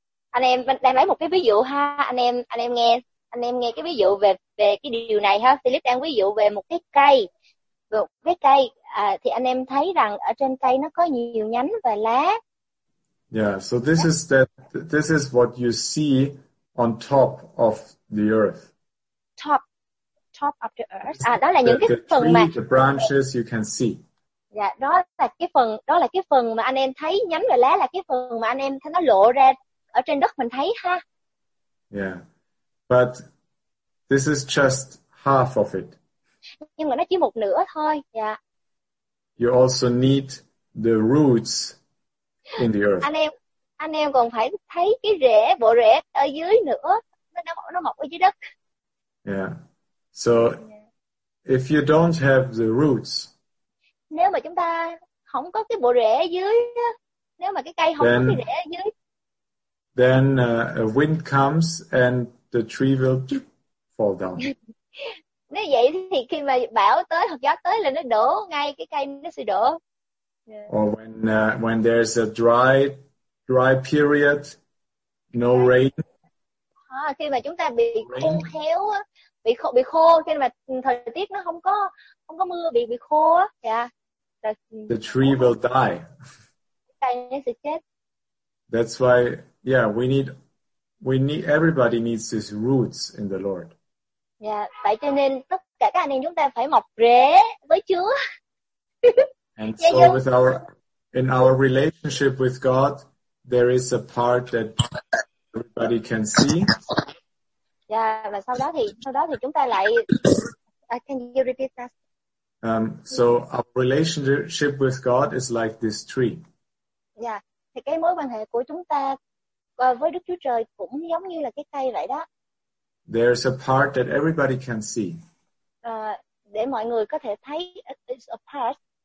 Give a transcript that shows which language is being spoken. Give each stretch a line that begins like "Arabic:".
Vietnamese: Anh em đang lấy một cái ví dụ ha, anh em nghe cái ví dụ về cái điều này ha. Philip đang ví dụ về một cái cây, thì anh em thấy rằng ở trên cây nó có nhiều nhánh và lá.
English: Yeah, so this is what you see on top of the earth. Top of the earth.
Vietnamese: À, đó là những cái phần
English: tree,
Vietnamese: mà
English: the branches you can see.
Vietnamese: Yeah, đó là cái phần mà anh em thấy nhánh và lá, là cái phần mà anh em thấy nó lộ ra ở trên đất mình thấy ha.
English: Yeah, but this is just half of it.
Vietnamese: Nhưng mà nó chỉ một nửa thôi.
English: Yeah. You also need the roots in the earth.
Vietnamese: Anh em còn phải thấy cái rễ, bộ rễ ở dưới nữa, nó mọc ở dưới đất.
English: Yeah. So If you don't have the roots,
Vietnamese: nếu mà chúng ta không có cái bộ rễ ở dưới, nếu mà cái cây không
English: then,
Vietnamese: có cái rễ ở dưới,
English: then a wind comes and the tree will fall down.
Vietnamese: Nếu vậy thì khi mà bão tới hoặc gió tới là nó đổ ngay cái cây, nó sẽ đổ.
English: Yeah. Or when there's a dry period, no rain.
Vietnamese: À, khi mà chúng ta bị khô héo, bị khô, khi mà thời tiết nó không có mưa, bị khô á, yeah.
English: The tree will die.
Vietnamese: Cây nó sẽ chết.
English: That's why, yeah, we need everybody needs these roots in the Lord.
Vietnamese: Yeah, tại cho nên tất cả các anh em chúng ta phải mọc rễ với Chúa.
English: And so in our relationship with God, there is a part that everybody can see.
Vietnamese: Yeah, và sau đó thì chúng ta lại
English: can you repeat that? So our relationship with God is like this tree.
Vietnamese: Yeah, thì cái mối quan hệ của chúng ta với Đức Chúa Trời cũng giống như là cái cây vậy đó.
English: There's a part that everybody can see.
Vietnamese: Để mọi người có thể thấy,
English: it's a part.